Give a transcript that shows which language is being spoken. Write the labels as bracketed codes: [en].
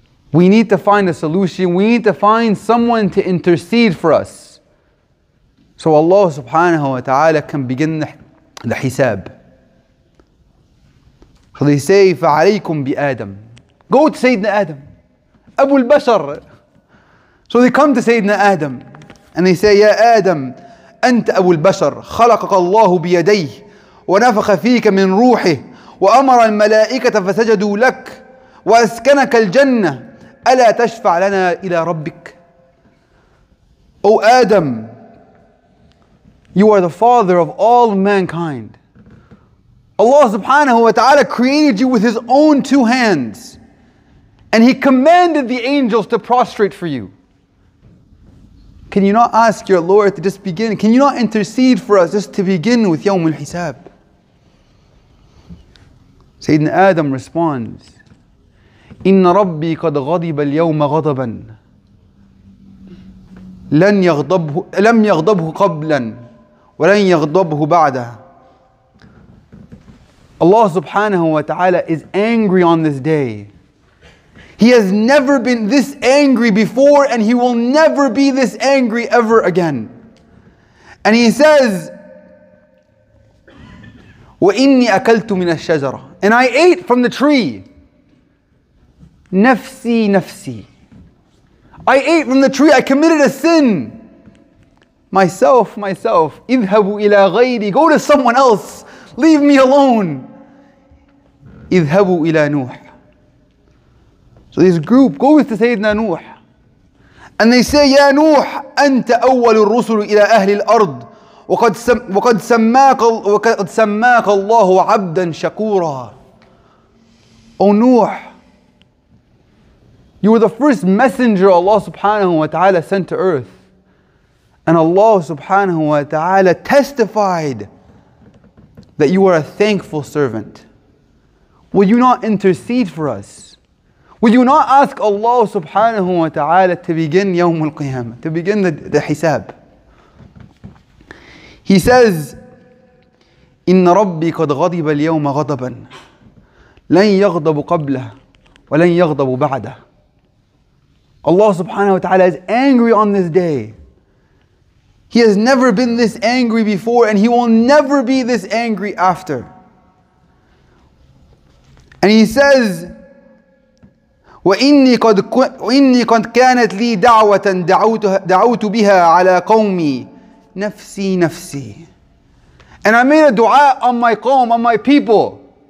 [en] We need to find a solution. We need to find someone to intercede for us. So Allah subhanahu wa ta'ala can begin the hisab. So they say, [ar] فَعَلَيْكُمْ بِآدَمْ. [en] Go to Sayyidina Adam. [ar] أبو البشر. [en] So they come to Sayyidina Adam. And they say, [ar] يَا آدَمْ أَنْتَ أَبُو الْبَشَرْ خَلَقَكَ اللَّهُ بِيَدَيْهِ ونفخ فيك من روحه وأمر الملائكة فسجدوا لك وأسكنك الجنة ألا تشفع لنا إلى ربك؟ [en] O Adam, you are the father of all mankind. Allah subhanahu wa ta'ala created you with his own two hands. And he commanded the angels to prostrate for you. Can you not ask your Lord to just begin? Can you not intercede for us just to begin with Yawm al-Hisab? Sayyidina Adam responds, [ar] إِنَّ رَبِّي قَدْ غَضِبَ الْيَوْمَ غَضَبًا لَمْ يَغْضَبْهُ قَبْلًا وَلَنْ يَغْضَبْهُ بَعْدًا. [en] Allah subhanahu wa ta'ala is angry on this day. He has never been this angry before and he will never be this angry ever again. And he says, [ar] وَإِنِّي أَكَلْتُ مِنَ الشَّجَرَةِ [en] And I ate from the tree. [ar] نفسي نفسي. [en] I ate from the tree, I committed a sin. Myself. [ar] اذهبوا إلى غيري. [en] Go to someone else. Leave me alone. [ar] اذهبوا إلى نوح. [en] So this group goes to Sayyidina Nuh. And they say, Ya Nuh, [ar] أنت أول الرسل إلى أهل الأرض. وقد سماك الله عبدا شكورا. [en] O Nuh, you were the first messenger Allah subhanahu wa ta'ala sent to earth. And Allah subhanahu wa ta'ala testified that you are a thankful servant. Will you not intercede for us? Will you not ask Allah subhanahu wa ta'ala to begin Yawm al-Qiyamah, to begin the Hisab? He says, [ar] إِنَّ رَبِّي قَدْ غَضِبَ الْيَوْمَ غَضَبًا لَنْ يَغْضَبُ قَبْلَهُ وَلَنْ يَغْضَبُ بَعْدَهُ. [en] Allah subhanahu wa ta'ala is angry on this day. He has never been this angry before and he will never be this angry after. And he says, [ar] وَإِنِّي قَدْ كَانَتْ لِي دَعْوَةً دَعَوْتُ بِهَا عَلَىٰ قَوْمِي نَفْسِي نَفْسِي. [en] And I made a dua on my qawm, on my people.